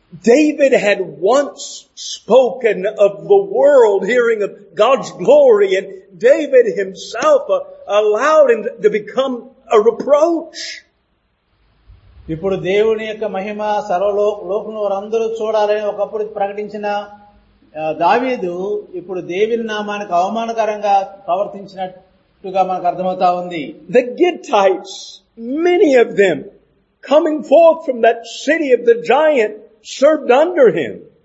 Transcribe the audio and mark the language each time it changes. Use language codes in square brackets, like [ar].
[en] David had once spoken of the world hearing of God's glory, and David himself allowed him to become a reproach. [te] ఇప్పుడు దేవుని యొక్క మహిమ సర్వలోకంలో చూడాలని ఒకప్పుడు ప్రకటించిన దావీదు ఇప్పుడు దేవుని నామానికి అవమానకరంగా ప్రవర్తించినట్టుగా మనకు అర్థమవుతా ఉంది. [en] The Gittites, many of them, coming forth from that city of the giant, served under him.